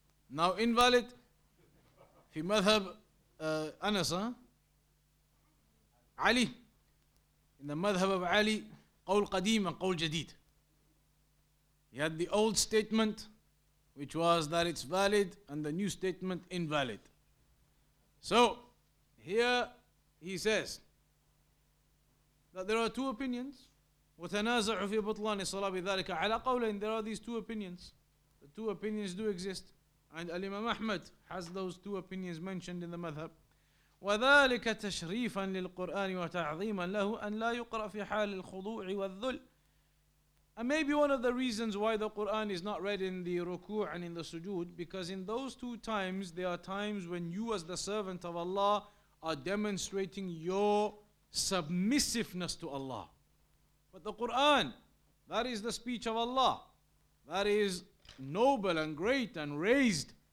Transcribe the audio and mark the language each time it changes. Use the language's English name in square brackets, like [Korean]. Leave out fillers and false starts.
[English] Now invalid, [Arabic] في مذهب أنس علي, [English] in the [Arabic] مذهب of علي, قول قديم and قول جديد. [English] He had the old statement, which was that it's valid, and the new statement, invalid. So, here he says that there are two opinions. [Arabic] وَتَنَازَعُ فِي بُطْلَانِ الصَّلَاةِ بِذَلِكَ عَلَىٰ قَوْلَيْنِ. [English] There are these two opinions. The two opinions do exist. And Al-Imam Ahmad has those two opinions mentioned in the madhab. [Arabic] وذلك تشريفا للقرآن وتعظيما له أن لا يقرأ في حال الخضوع والذل. [English] And maybe one of the reasons why the Quran is not read in the ruku' and in the sujood, because in those two times, there are times when you as the servant of Allah are demonstrating your submissiveness to Allah. But the Quran, that is the speech of Allah, that is noble and great and raised.